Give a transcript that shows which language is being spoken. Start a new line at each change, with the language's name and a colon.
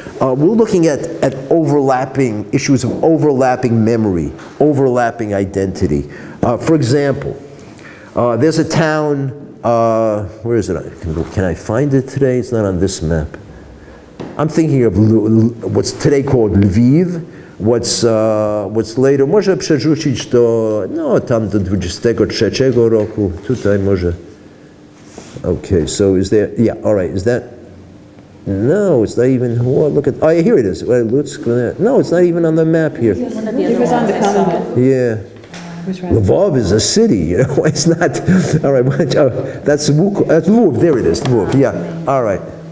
English: We're looking at overlapping issues of overlapping memory, overlapping identity. For example, there's a town. Where is it? Can I find it today? It's not on this map. I'm thinking of what's today called Lviv. What's later?
Polish: Może przerzucić to, no, tam do 23 roku. Tutaj może.
English: Okay, so is there, yeah, all right, is that? No, it's not even, well, look at, oh, yeah, here it is. Well, no, it's not even on the map here. It was on the Commonwealth. Yeah. Lvov is a city, you know, it's not, all right, that's Lvov, there it is, Lvov, yeah, all right.